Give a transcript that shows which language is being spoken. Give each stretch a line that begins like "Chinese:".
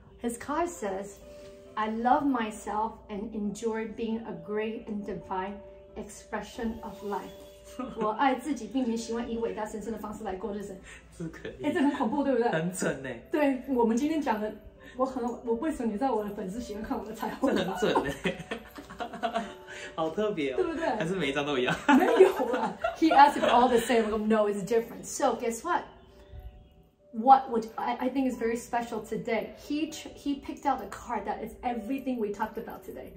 English: His card says, "I love myself and enjoy being a great and divine expression of life."
Chinese: 我爱自己，并且喜欢以伟大神圣的方式来过日子。是可以。哎，这很恐怖，对不对？很准呢。对，我们今天讲的。我为什么你知道我的粉丝喜欢看我的彩虹？这很准哎，好特别哦，对不对？还是每一张都一样？没有啦
English: He asked if all the same. I go, no, it's different. So guess what? What would I think is very special today? He picked out a card that is everything we talked about today.